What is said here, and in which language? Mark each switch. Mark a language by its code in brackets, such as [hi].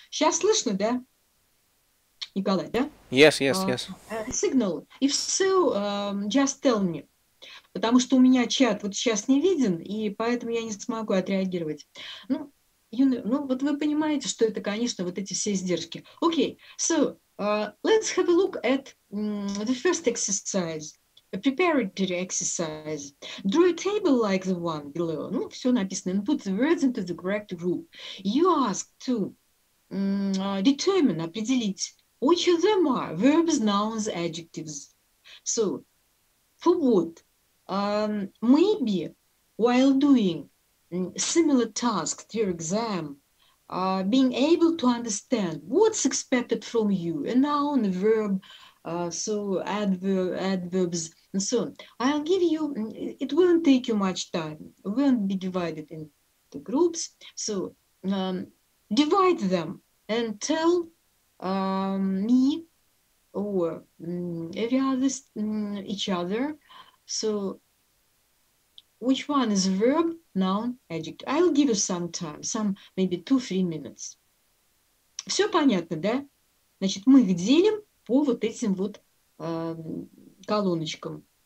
[ru] Сейчас слышно, да? Николай, да? [en] Yes. Signal. If so, just tell me. [ru] Потому что у меня чат вот сейчас не виден, и поэтому я не смогу отреагировать. Ну, вот вы понимаете, что это, конечно, вот эти все издержки. [en] Окей, let's have a look at the first exercise. A preparatory exercise. Draw a table like the one below. Ну, все написано. And put the words into the correct group. You ask to determine, определить, which of them are verbs, nouns, adjectives. So, for what? Maybe while doing similar tasks to your exam, being able to understand what's expected from you, a noun, a verb, so adverbs, and so on. I'll give you, it won't take you much time, it won't be divided into groups. So divide them and tell me or every other, each other. So which one is verb, noun, adjective? I'll give you some time, some maybe 2-3 minutes. [ru] Все понятно, да? Значит, мы их делим по вот этим вот колоночкам.